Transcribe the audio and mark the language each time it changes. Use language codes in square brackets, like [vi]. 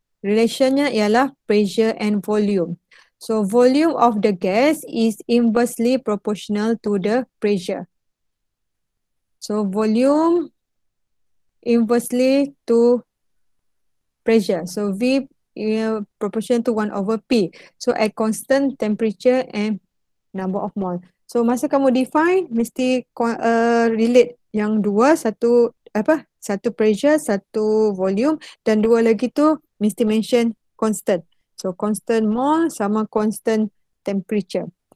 [ms] Relationnya ialah [en] pressure and volume. So volume of the gas is inversely proportional to the pressure. So volume inversely to pressure. So V proportion to 1 over P. So at constant temperature and number of mole. [ms] So masa kamu define, mesti relate yang dua, satu apa? Satu pressure, satu volume, dan dua lagi tu mesti mention constant. [en] So constant mole sama constant temperature.